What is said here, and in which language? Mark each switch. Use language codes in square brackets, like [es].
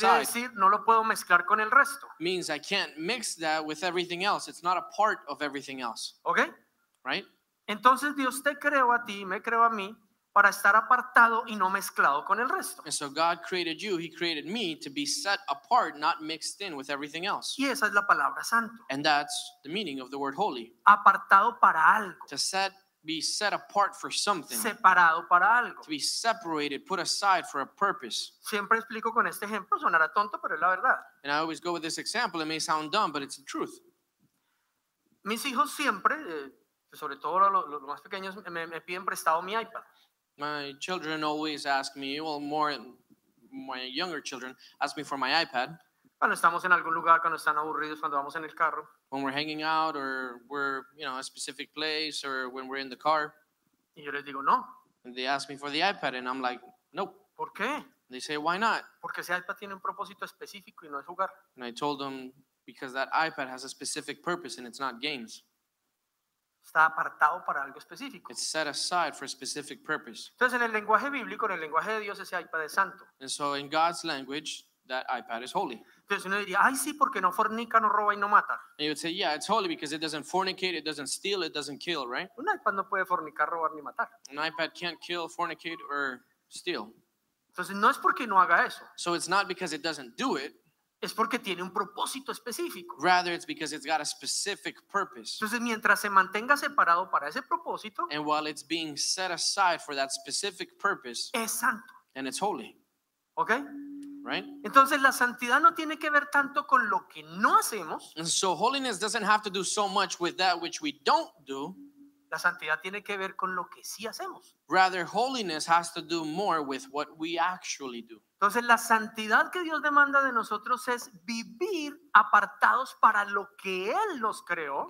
[es] quiere decir, no lo puedo mezclar con el resto. [en] Means I can't mix that with everything else. It's not a part of everything else. Okay. Right? [es] Entonces Dios te creó a ti, me creó a mí, para estar apartado y no mezclado con el resto. [en] And so God created you, he created me to be set apart, not mixed in with everything else. [es] Y esa es la palabra santo. [en] And that's the meaning of the word holy. [es] Apartado para algo. [en] To set, be set apart for something. [es] Separado para algo. [en] To be separated, put aside for a purpose. [es] Siempre explico con este ejemplo, sonará tonto, pero es la verdad. [en] And I always go with this example, it may sound dumb, but it's the truth. [es] Mis hijos siempre, sobre todo los más pequeños, me piden prestado mi iPad. [en] My children always ask me, well, more my younger children ask me for my iPad. [es] Cuando estamos en algún lugar, cuando están aburridos, cuando vamos en el carro. [en] When we're hanging out or we're, you know, a specific place or when we're in the car. [es] Y yo les digo, no. [en] And they ask me for the iPad and I'm like, nope. [es] ¿Por qué? [en] And they say, why not? [es] Porque ese iPad tiene un propósito específico y no es jugar. [en] And I told them, because that iPad has a specific purpose and it's not games. [es] Está apartado para algo específico. [en] It's set aside for a specific purpose. [es] Entonces, en el lenguaje bíblico, en el lenguaje de Dios, ese iPad es santo. [en] And so, in God's language, that iPad is holy. [es] Entonces, uno diría, ay, sí, porque no fornica, no roba y no mata. [en] And you would say, yeah, it's holy because it doesn't fornicate, it doesn't steal, it doesn't kill, right? [es] Un iPad no puede fornicar, robar ni matar. [en] An iPad can't kill, fornicate, or steal. [es] Entonces, no es porque no haga eso. [en] So, it's not because it doesn't do it. [es] Es porque tiene un propósito específico. [en] Rather, it's because it's got a specific purpose. [es] Entonces, mientras se mantenga separado para ese propósito, [en] and while it's being set aside for that specific purpose, [es] es santo. [en] And it's holy. Okay? Right? [es] Entonces, la santidad no tiene que ver tanto con lo que no hacemos. [en] And so holiness doesn't have to do so much with that which we don't do. [es] La santidad tiene que ver con lo que sí hacemos. [en] Rather, holiness has to do more with what we actually do. [es] Entonces, la santidad que Dios demanda de nosotros es vivir apartados para lo que Él nos creó.